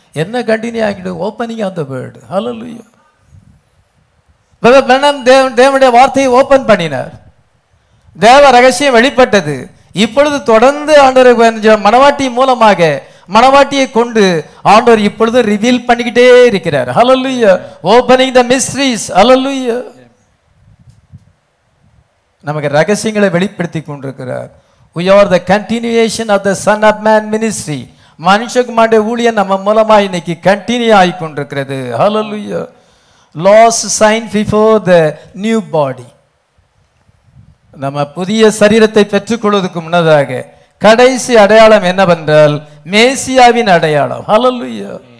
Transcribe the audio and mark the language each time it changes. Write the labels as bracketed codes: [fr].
[ta] என்ன continue ஆகிடு, [en] Opening of the word. [ta] Hallelujah. Brother பிரணம் தேவனுடைய வார்த்தையை ஓபன் பண்ணினார், தேவ ரகசியம் வெளிப்பட்டது. இப்பொழுது தொடர்ந்து ஆண்டவர் மனவாட்டி மூலமாக, மனவாட்டியை கொண்டு ஆண்டவர் இப்பொழுது ரிவீல் பண்ணிக்கிட்டே இருக்கிறார். ஹல்லேலூயா. [en] Opening the mysteries. Hallelujah. [ta] நமக்கு ரகசியங்களை வெளிப்படுத்தி கொண்டிருக்கிறார். [en] We are the continuation of the Son of Man ministry. [ta] மனுஷகுமாரன் ஊழியம் நம்ம மூலமா இன்னைக்கு கண்டினியூ ஆகி கொண்டிருக்கிறது. ஹல்லேலூயா. [en] Last sign before the new body. [ta] நம்ம புதிய சரீரத்தை பெற்றுக்கொள்வதற்கு முன்னதாக கடைசி அடையாளம் என்னவென்றால் மேசியாவின் அடையாளம். ஹல்லேலூயா.